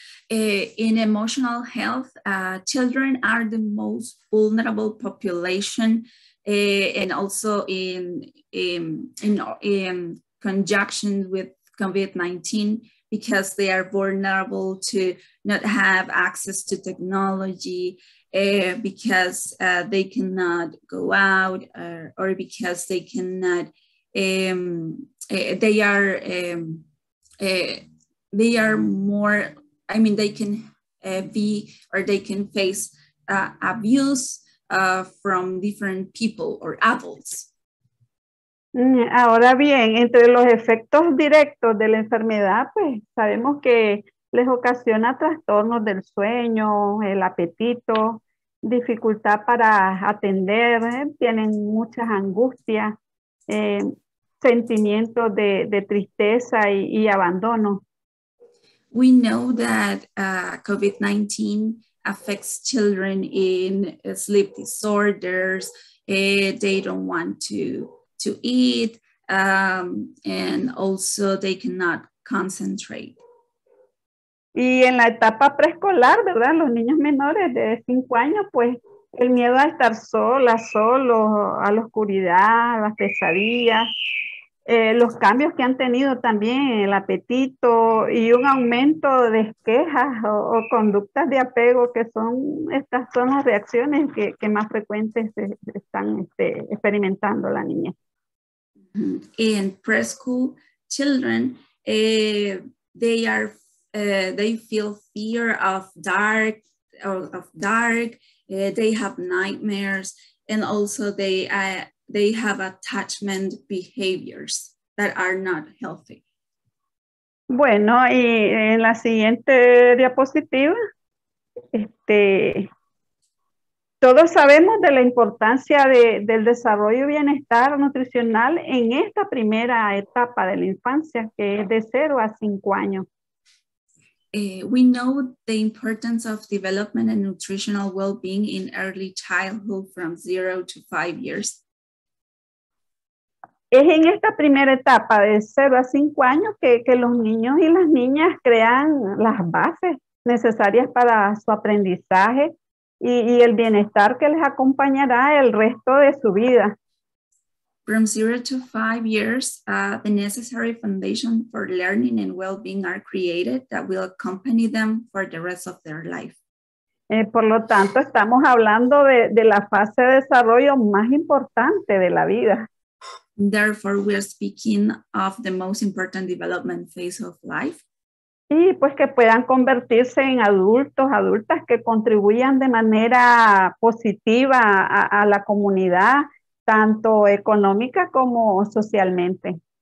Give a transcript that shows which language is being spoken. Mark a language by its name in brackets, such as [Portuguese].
[English] In emotional health, children are the most vulnerable population and also in conjunction with COVID-19, because they are vulnerable to not have access to technology, because they cannot go out, or because they cannot, they can face abuse from different people or adults. [Spanish] Ahora bien, entre los efectos directos de la enfermedad, pues sabemos que les ocasiona trastornos del sueño, el apetito, dificultad para atender, tienen muchas angustias, sentimiento de tristeza y abandono. [English] We know that COVID-19 affects children in sleep disorders. They don't want to eat, and also they cannot concentrate. [Spanish] Y en la etapa preescolar, ¿verdad? Los niños menores de 5 años, pues el miedo a estar sola, solo, a la oscuridad, a las pesadillas, los cambios que han tenido también, el apetito y un aumento de quejas o conductas de apego, que son estas son las reacciones que más frecuentes están experimentando la niña. [English] In preschool children, they feel fear of dark, they have nightmares, and also they have attachment behaviors that are not healthy. [Spanish] Bueno, y en la siguiente diapositiva, todos sabemos de la importancia del desarrollo y bienestar nutricional en esta primera etapa de la infancia, que es de 0 a 5 años. [English] We know the importance of development and nutritional well-being in early childhood from 0 to 5 years. [Spanish] Es en esta primera etapa de 0 a 5 años que los niños y las niñas crean las bases necesarias para su aprendizaje y el bienestar que les acompañará el resto de su vida. [English] From 0 to 5 years, the necessary foundation for learning and well-being are created that will accompany them for the rest of their life. [Spanish] Por lo tanto, estamos hablando de la fase de desarrollo más importante de la vida. [English] Therefore, we are speaking of the most important development phase of life. [Spanish] Y pues que puedan convertirse en adultos, adultas que contribuyan de manera positiva a la comunidad, tanto económica como socialmente.